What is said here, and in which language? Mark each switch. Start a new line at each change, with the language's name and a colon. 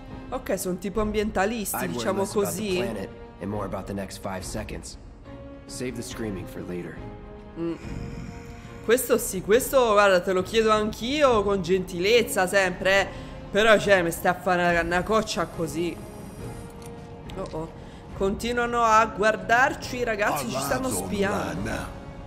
Italian: ok, sono tipo ambientalisti, diciamo così.
English: And more about the next 5 seconds. Save the screaming for later.
Italian: Questo sì, questo guarda, te lo chiedo anch'io con gentilezza sempre. Però cioè, mi stai a fare una coccia così. Oh oh. Continuano a guardarci, ragazzi, ci stanno spiando.